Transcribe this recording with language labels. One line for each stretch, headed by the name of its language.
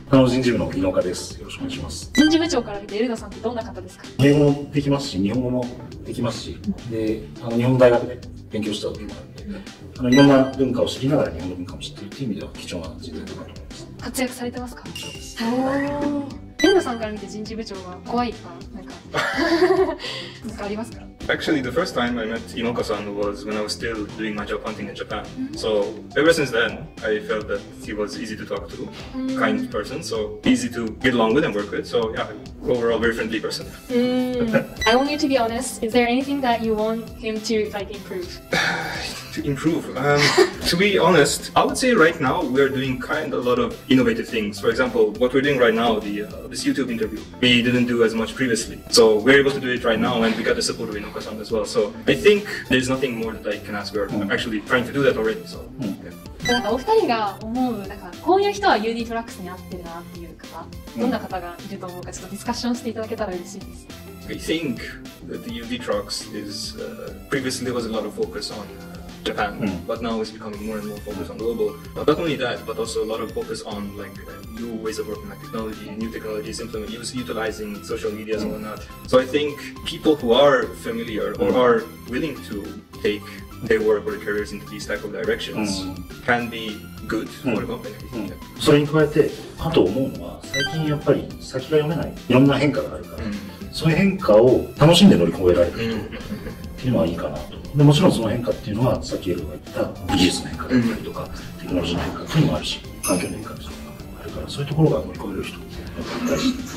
Japanese: あの人事部の井岡です。よろしくお願いします。人事部長から見てエルダさんってどんな方ですか。英語もできますし日本語もできますし、うん、で日本大学で勉強したこともあるので、うん、いろんな文化を知りながら日本の文化も知っているという意味では貴重な人材だと思います。活躍されてますか。そうです。
English: Actually, the first time I met Inoka-san was when I was still doing my job hunting in Japan. Mm-hmm. So ever since then, I felt that he was easy to talk to, mm-hmm. kind person, so easy to get along with and work with. So yeah, overall very friendly person. Mm. I want you to be honest. Is there anything that you want him to like improve? To improve? To be honest, I would say right now we're doing kind of a lot of innovative things. For example, what we're doing right now, this YouTube interview, we didn't do as much previously. So we're able to do it right now and we got the support of Inoka-san as well. So I think there's nothing more that I can ask. We're actually trying to do that already. So, yeah.
Japanese: お二人が思う、なんかこういう人は UD トラックスに合ってるなっていう方、どんな方がいると思うか、ちょっとディスカッションしていただけたら嬉しいです。
English: I think that the UD trucks is, previously there was a lot of focus on Japan, but now it's becoming more and more focused on global. But not only that, but also a lot of focus on like new ways of working, like technology, new technologies, utilizing social media and whatnot. So I think people who are familiar or are willing to take their work or their careers into these type of directions can be good for the company.
Japanese: それに加えて、あと思うのは、最近やっぱり先が読めない、いろんな変化があるから、そういう変化を楽しんで乗り越えられるっていうのはいいかなと。でもちろんその変化っていうのは、さっきエルが言った技術の変化だったりとか、テクノロジーの変化っていうのもあるし、環境の変化っていうのもあるから、そういうところが乗り越える人って大事。